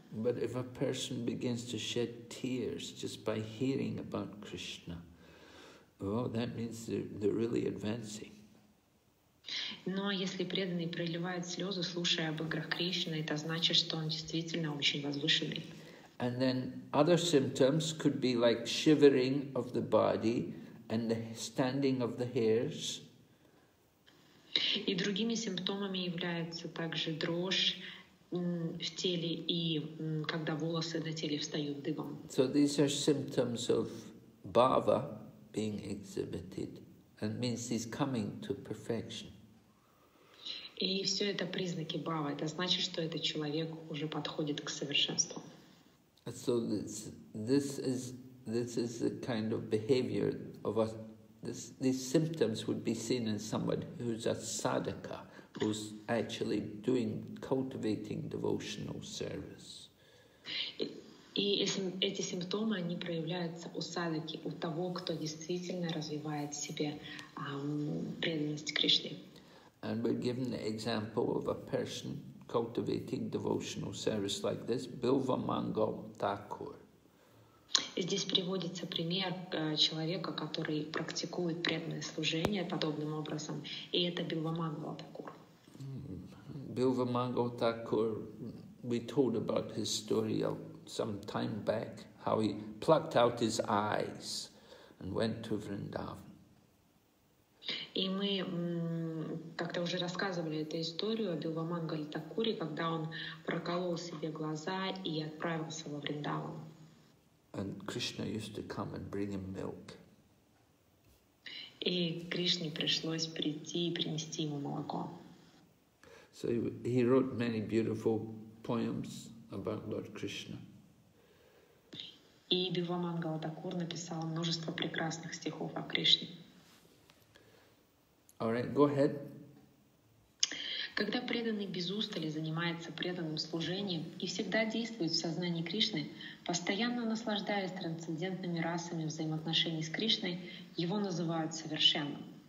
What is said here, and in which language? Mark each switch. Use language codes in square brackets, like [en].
[en] But if a person begins to shed tears just by hearing about Krishna, well, that means they're really advancing. [ru] Но если преданный проливает слезы, слушая об играх Кришны, это значит, что он действительно очень возвышенный. [en] And then other symptoms could be like shivering of the body and the standing of the hairs. [ru] И другими симптомами являются также дрожь в теле и когда волосы на теле встают дыбом. [en] So these are symptoms of bhava being exhibited, and means he's coming to perfection. [ru] И все это признаки бхава. Это значит, что этот человек уже подходит к совершенству. [en] So this is the kind of behavior of us. These symptoms would be seen in someone who's a sadhaka, who's actually cultivating devotional service. [ru] И эти симптомы они проявляются у садхаки, у того, кто действительно развивает в себе преданность Кришне. [en] And we're given the example of a person cultivating devotional service like this, Bilva Mangal Thakur. [ru] Здесь приводится пример человека, который практикует преданное служение подобным образом, и это Bilva Mangal Thakur. [en] Bilva Mangal Thakur, we told about his story some time back, how he plucked out his eyes and went to Vrindavan. [ru] И мы как-то уже рассказывали эту историю о Билва Мангале Такуре, когда он проколол себе глаза и отправился во Вриндаван. [en] And Krishna used to come and bring him milk. [ru] И Кришне пришлось прийти и принести ему молоко. [en] So he wrote many beautiful poems about Lord Krishna. [ru] И Билва Мангале Такур написал множество прекрасных стихов о Кришне. [en] All right, go ahead. [ru] Когда преданный без устали занимается преданным служением и всегда действует в сознании Кришны, постоянно наслаждаясь трансцендентными расами взаимоотношений с Кришной, его называют совершенным.